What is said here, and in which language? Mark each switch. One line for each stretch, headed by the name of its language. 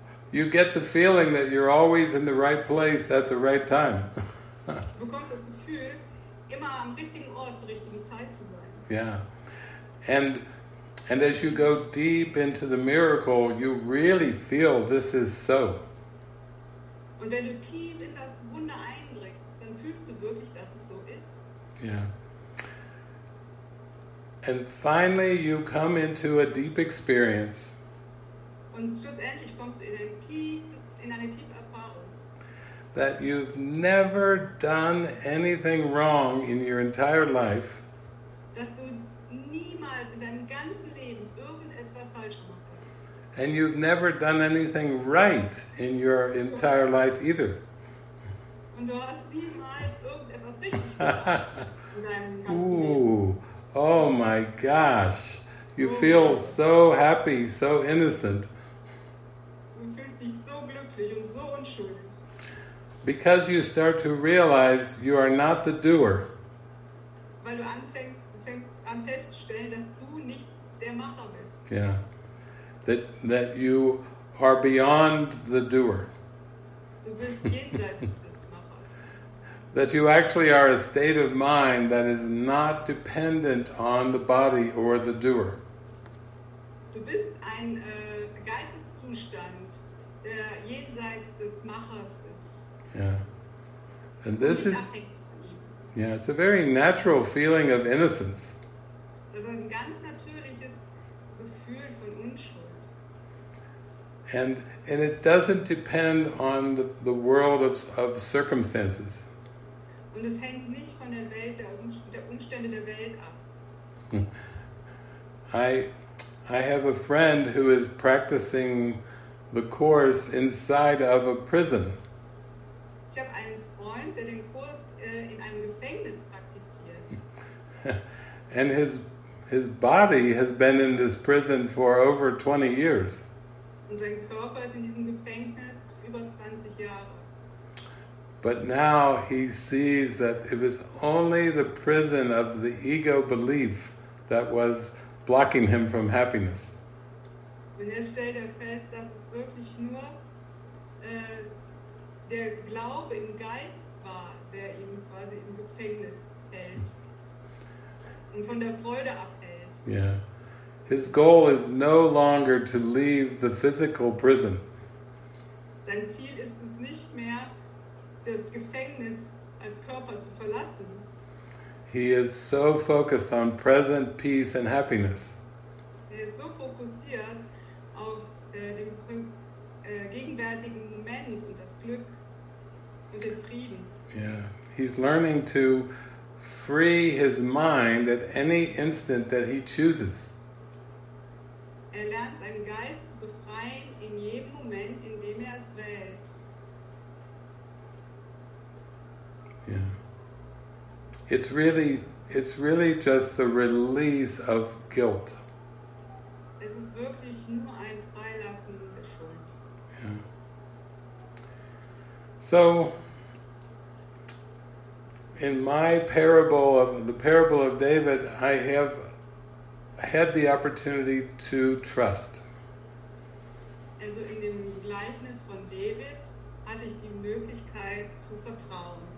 English: You get the feeling that you're always in the right place at the right time.
German: Du bekommst das Gefühl, immer am richtigen Ort zur richtigen Zeit zu sein.
English: Yeah. And as you go deep into the miracle, you really feel this is so.
German: Und wenn du tief in das Wunder eindringst, dann fühlst du wirklich, dass es so ist.
English: Yeah. And finally you come into a deep experience.
German: Und schlussendlich kommst du in eine tiefe Erfahrung.
English: That you've never done anything wrong in your entire life.
German: Dass du niemals in deinem ganzen Leben irgendetwas falsch gemacht hast.
English: And you've never done anything right in your entire life either.
German: Und du hast niemals irgendetwas richtig gemacht.
English: Ooh. Oh my gosh. You feel so happy, so innocent.
German: Du fühlst dich so glücklich und so unschuldig.
English: Because you start to realize you are not the doer.
German: Weil du anfängst festzustellen, dass du nicht der Macher bist.
English: Yeah. That you are beyond the doer.
German: Du bist jenseits des Machers.
English: That you actually are a state of mind that is not dependent on the body or the doer.
German: Du bist ein Geisteszustand, der jenseits des Machers ist.
English: Yeah. And this is... Yeah, it's a very natural feeling of innocence.
German: Das ist ein ganz natürliches Gefühl von Unschuld.
English: And it doesn't depend on the world of circumstances.
German: Und es hängt nicht von der Welt, der Umstände der Welt ab.
English: I have a friend who is practicing the course inside of a prison.
German: Ich habe einen Freund, der den Kurs in einem Gefängnis praktiziert.
English: And his body has been in this prison for over 20 years.
German: Und sein Körper ist in diesem Gefängnis über 20 Jahre.
English: But now he sees that it was only the prison of the ego belief that was blocking him from happiness.
German: Und jetzt stellt er fest, dass es wirklich nur der Glaube im Geist war, der ihn quasi im Gefängnis hält und von der Freude abhält.
English: Yeah. His goal is no longer to leave the physical prison.
German: Sein Ziel ist es nicht mehr, das Gefängnis als Körper zu verlassen.
English: He is so focused on present peace and happiness.
German: Er ist so fokussiert auf den gegenwärtigen Moment und das Glück und den Frieden.
English: Yeah, he's learning to free his mind at any instant that he chooses.
German: Er lernt seinen Geist zu befreien in jedem Moment, in dem er es wählt.
English: Yeah. It's really just the release of guilt.
German: Es ist wirklich nur ein Freilassen der Schuld.
English: Yeah. So, in my parable, of the parable of David, I have had the opportunity to trust.
German: Also in dem Gleichnis von David hatte ich die Möglichkeit zu vertrauen.